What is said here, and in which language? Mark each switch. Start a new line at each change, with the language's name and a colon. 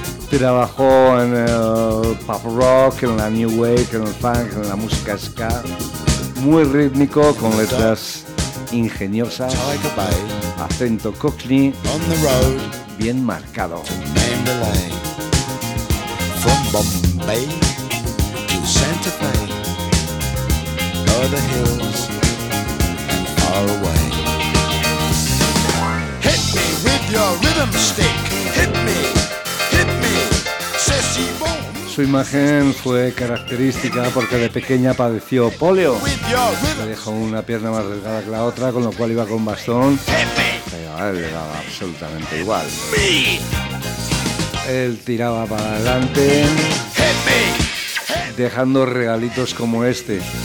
Spanish: Trabajó en el pop rock, en la new wave, en el funk, en la música ska. Muy rítmico, con letras ingeniosa, Tiger Bay, acento cockney,
English: on the road,
Spanish: bien marcado.
English: Mandalay, from Bombay to Santa Fe, other hills and far away. Hit me with your rhythm stick, hit me, hit me, says he won't.
Spanish: Su imagen fue característica porque de pequeña padeció polio. Le dejó una pierna más delgada que la otra, con lo cual iba con bastón. Pero a él le daba absolutamente igual. Él tiraba para adelante, dejando regalitos como este.